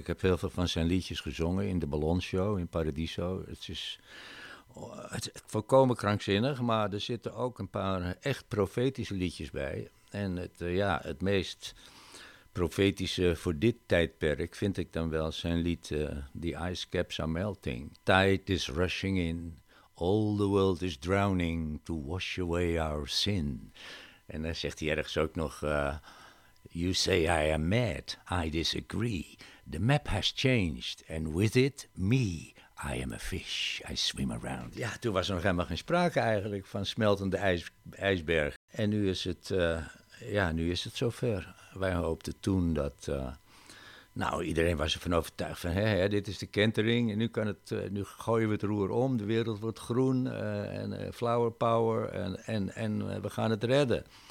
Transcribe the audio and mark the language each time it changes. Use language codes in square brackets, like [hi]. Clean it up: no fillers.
[nl] Ik heb heel veel van zijn liedjes gezongen in de Ballonshow in Paradiso. Het is volkomen krankzinnig, maar er zitten ook een paar echt profetische liedjes bij. En het meest profetische voor dit tijdperk vind ik dan wel zijn lied The Ice Caps Are Melting. [en] Tide is rushing in, all the world is drowning to wash away our sin. [nl] En dan zegt hij ergens ook nog, [en] you say I am mad, I disagree. The map has changed and with it me, I am a fish, I swim around. [nl] Ja, toen was er nog helemaal geen sprake eigenlijk van smeltende ijsberg. En nu is het, nu is het zover. Wij hoopten toen dat, iedereen was ervan overtuigd van, hé, dit is de kentering en nu gooien we het roer om. De wereld wordt groen flower power en we gaan het redden.